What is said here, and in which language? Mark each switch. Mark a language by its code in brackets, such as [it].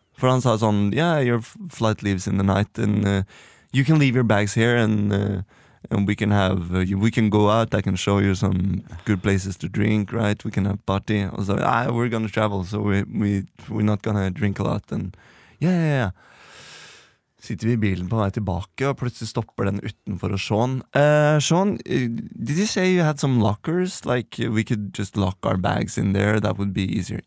[no] For han sa sånn, [en] yeah, your flight leaves in the night and you can leave your bags here and we can have we can go out, I can show you some good places to drink, right? We can have party. [no] Og så, [en] yeah, we're gonna travel so we're not gonna drink a lot and yeah. [no] Sitter vi i bilen på vei tilbake og plutselig stopper den utenfor og Sean. [en] Sean, did you say you had some lockers? Like we could just lock our bags in there, that would be easier.